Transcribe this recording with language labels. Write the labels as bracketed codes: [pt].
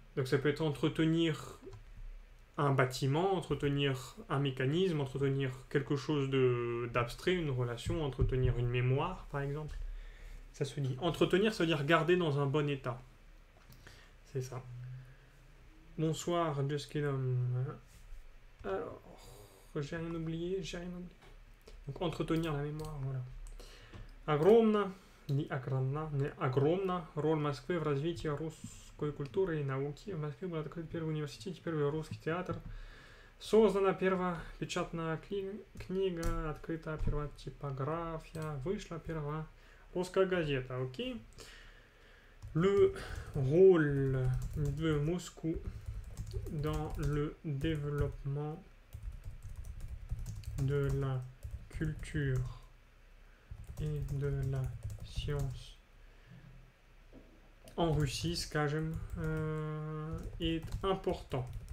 [fr] Donc ça peut être entretenir un bâtiment, entretenir un mécanisme, entretenir quelque chose de d'abstrait, une relation, entretenir une mémoire, par exemple. Ça se dit. Entretenir, ça veut dire garder dans un bon état. C'est ça. Bonsoir, Jeskinom. Alors, j'ai rien oublié, j'ai rien oublié. Donc, entretenir la mémoire, voilà. [ru] Огромно, не огромно, [fr] mais [ru] огромно, роль Москвы в развитии русской культуры и науки. В Москве был открыт первый университет, первый русский театр. Создана первая печатная книга, открыта первая типография, вышла первая русская газета. Окей. [fr] Le rôle de Moscou dans le développement de la culture et de la science en Russie, [ru] skajem, [fr] est important.